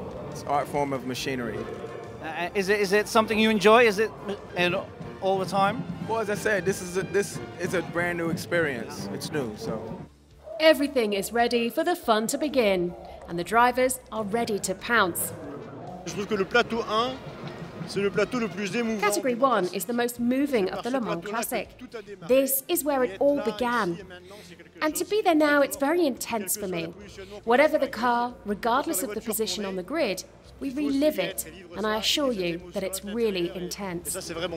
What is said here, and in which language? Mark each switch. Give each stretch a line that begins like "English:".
English: It's art form of machinery. Is it something you enjoy? Is it all the time? Well, as I said, this is a brand new experience. It's new, so. Everything is ready for the fun to begin, and the drivers are ready to pounce.
French: Je trouve que le plateau 1, c'est le plateau le plus émouvant.
English: Category 1 is the most moving of the Le Mans Classic. This is where it all began. And to be there now, it's very intense for me. Whatever the car, regardless of the position on the grid, we relive it, and I assure you that it's really intense.